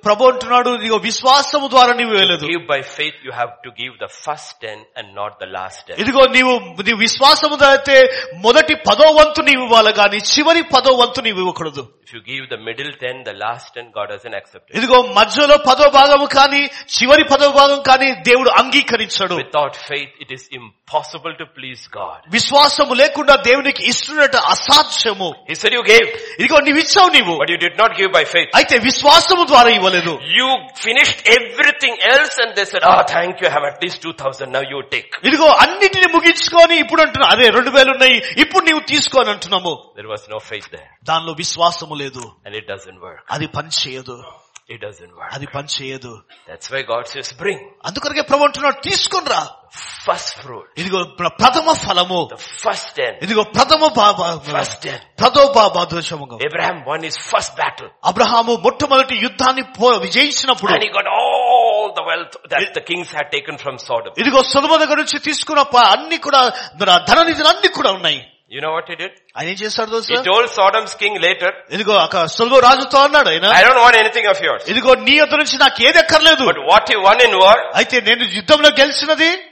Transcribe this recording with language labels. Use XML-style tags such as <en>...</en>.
<te>ప్రభు అంటున్నాడు ఇదిగో విశ్వాసము ద్వారా నీవు ఇవ్వలేదు.</te> <en>Give by faith, you have to give the first 10 and not the last 10.</en> <te>ఇదిగో నీవు విశ్వాసము ద్వారా మొదటి పదో వంతు నీవు ఇవ్వాలి, గాని చివరి పదో వంతు నీవు ఇవ్వకూడదు.</te> <en>If you give the middle 10, the last 10, God doesn't accept it.</en> <te>ఇదిగో మధ్యలో పదో భాగము కాని చివరి పదో భాగం కాని దేవుడు అంగీకరించడు.</te> <en>Without faith, it is impossible to please God.</en> <te>విశ్వాసము లేకుండా దేవునికి ఇష్టమైనట్టు అసాధ్యము.</te> <en>He said, "You gave."</en> <te>ఇదిగో నీవు ఇచ్చావు నీవు.</te> <en>But you did not give by faith.</en> <te>అయితే విశ్వాసం ద్వారా ఇవ్వలేదు.</te> <en>You finished everything else and they said ah thank you have at least 2000 now you take.</en> <te>ఇదిగో అన్నిటిని ముగించుకొని ఇప్పుడు అంటున్నా అదే 2000 ఉన్నాయి ఇప్పుడు నీవు తీసుకోని అంటున్నాము.</te> <en>There was no faith there.</en> <te>దానిలో విశ్వాసము లేదు.</te> <en>And it doesn't work.</en> <te>అది పనిచేయదు.</te> <en>It doesn't work.</en> <te>అది పని చేయదు.</te> <en>That's why God says bring.</en> <te>అందుకొరకే ప్రభు అంటున్నాడు తీసుకుని రా.</te> <en>First fruit.</en> <te>ఇదిగో ప్రథమ ఫలము.</te> <en>The first ten.</en> <te>ఇదిగో ప్రథమ భాగము.</te> <en>Abraham won his first battle.</en> <te>Abraham మొట్టమొదటి యుద్ధాన్ని విజయించినప్పుడు.</te> <en>And he got all the wealth that the kings had taken from Sodom.</en> <te>ఇదిగో సొదొమ దగ్గర నుంచి తీసుకున్న అన్ని కూడా ధన నిధులు అన్ని కూడా ఉన్నాయి.</te> <en>You know what he did?</en> <te>ఆయన ఏం చేస్తాడు తెలుసు?</te> <en>He told Sodom's king later.</en> <te>ఇదిగో అక్క సొదొమ రాజుతో అన్నాడు ఆయన.</te> <en>I don't want anything of yours.</en> <te>ఇదిగో నీ యొద్ద నుంచి నాకు ఏది అక్కర్లేదు.</te> <en>But what he won in war?</en> <te>అయితే నేను యుద్ధంలో గెలిచినది</te>